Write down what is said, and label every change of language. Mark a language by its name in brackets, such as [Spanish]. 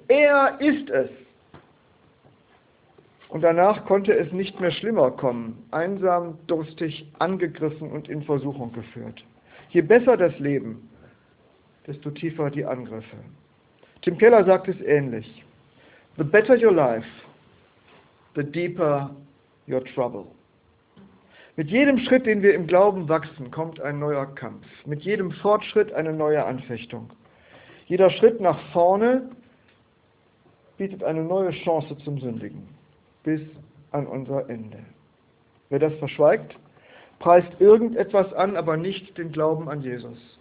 [German] Er ist es. Und danach konnte es nicht mehr schlimmer kommen. Einsam, durstig, angegriffen und in Versuchung geführt. Je besser das Leben, desto tiefer die Angriffe. Tim Keller sagt es ähnlich. [English] The better your life, the deeper your trouble. [German] Mit jedem Schritt, den wir im Glauben wachsen, kommt ein neuer Kampf. Mit jedem Fortschritt eine neue Anfechtung. Jeder Schritt nach vorne bietet eine neue Chance zum Sündigen. Bis an unser Ende. Wer das verschweigt, preist irgendetwas an, aber nicht den Glauben an Jesus.